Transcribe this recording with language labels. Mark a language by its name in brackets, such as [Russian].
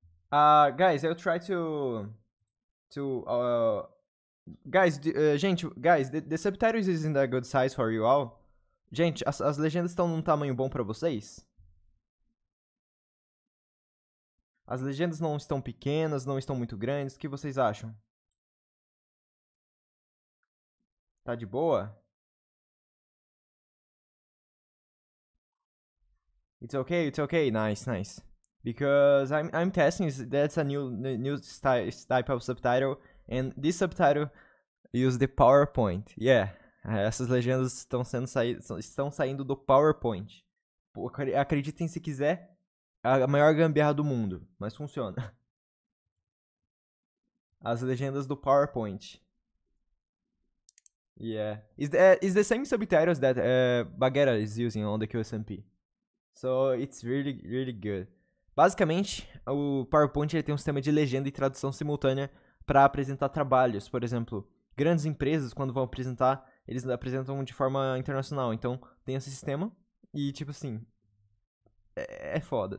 [English] Guys, I'll try guys, the subtitles isn't a good size for you all. [Portuguese] Gente, as legendas estão num tamanho bom para vocês? As legendas não estão pequenas, não estão muito grandes. O que vocês acham? Tá de boa? [English] It's okay, nice, nice. Because I'm testing, that's a new style, type of subtitle, and this subtitle use the PowerPoint. [Portuguese] Yeah, essas legendas estão saindo do PowerPoint. Pô, acreditem se quiser, a maior gambiarra do mundo, mas funciona. As legendas do PowerPoint. [English] Yeah, is the same subtitles that Bagheera is using on the QSMP. So it's really good. [Portuguese] Basicamente, o PowerPoint ele tem um sistema de legenda e tradução simultânea para apresentar trabalhos. Por exemplo, grandes empresas, quando vão apresentar, eles apresentam de forma internacional. Então, tem esse sistema e, tipo assim, é foda.